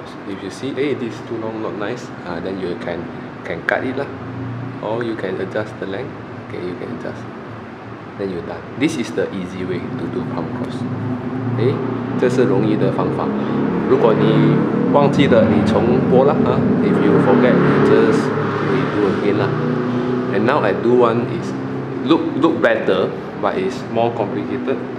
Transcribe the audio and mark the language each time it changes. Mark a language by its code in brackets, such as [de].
[en] If you see, hey, this is too long, not nice, then you can cut it lah. Or you can adjust the length. Okay, you can adjust. Then you're done. This is the easy way to do palm cross. [zh] Okay, 这是容易的方法。如果你忘记了，你重播了啊。 [en] If you forget, you just redo again lah. And now I do one is look better, but it's more complicated.